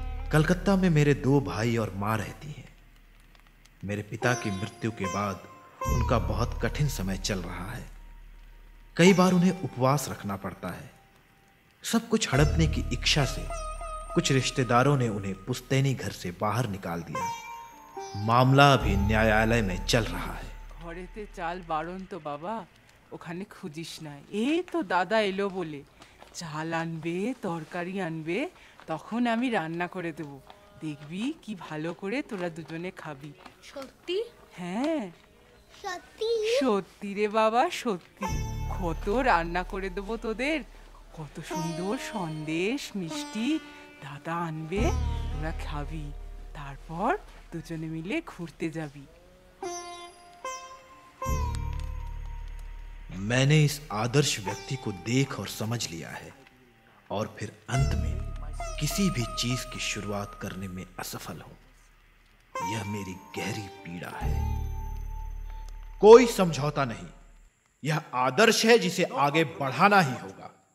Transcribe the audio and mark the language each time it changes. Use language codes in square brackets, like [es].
[hi] कलकत्ता में मेरे 2 भाई और माँ रहती हैं। मेरे पिता की मृत्यु के बाद उनका बहुत कठिन समय चल रहा है। कई बार उन्हें उपवास रखना पड़ता है। सब कुछ हड़पने की इच्छा से कुछ रिश्तेदारों ने उन्हें पुश्तैनी घर से बाहर निकाल दिया। मामला अभी न्यायालय में चल रहा है। [bn] घोड़े चाल बारोन तो बाबा ওখানে খুঁজিস না, এ তো দাদা এলো বলে। চাল আনবে, তরকারি আনবে, তখন আমি রান্না করে দেব, দেখবি কি ভালো করে তোরা দুজনে খাবি। সত্যি? হ্যাঁ সত্যি সত্যি রে বাবা সত্যি। কত রান্না করে দেব তোদের, কত সুন্দর সন্দেশ মিষ্টি দাদা আনবে, তোরা খাবি, তারপর দুজনে মিলে ঘুরতে যাবি। [hi] मैंने इस आदर्श व्यक्ति को देख और समझ लिया है और फिर अंत में किसी भी चीज की शुरुआत करने में असफल हो, यह मेरी गहरी पीड़ा है। कोई समझौता नहीं, यह आदर्श है जिसे आगे बढ़ाना ही होगा।